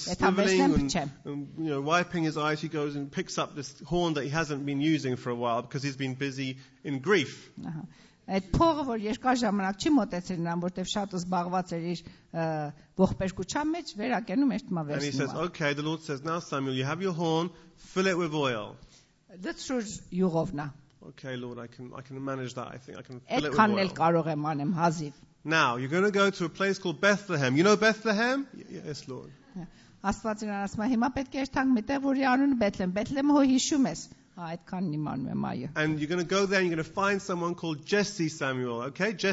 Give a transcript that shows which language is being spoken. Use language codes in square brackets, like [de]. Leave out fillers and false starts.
[en] wiping his eyes, he goes and picks up this horn that he hasn't been using for a while because he's been busy in grief. [hy] Այդ փողը, որ երկար ժամանակ չի մոտեցել նրան, որտեղ շատ զբաղված էր իր ողբերգության մեջ, վերակենում էր հիմա վերսնում։ [en] And he says, okay, the Lord says, now Samuel, you have your horn, fill it with oil. That's true, յուղովնա. Okay, Lord, I can manage that, I think, I can fill it with oil. [hy] Այդքան էլ կարող եմ անեմ, հազիվ։ [en] Now, you're going to go to a place called Bethlehem. You know Bethlehem? Yes, Lord. [hy] Աստված իրան ասում է, հիմա պետք է երթանք մի տեղ, որի անունը Բեթլեմ, Բեթլեմը հո հիշում ես։ [en] And you're going to go there and you're going to find someone called Jesse Samuel, okay?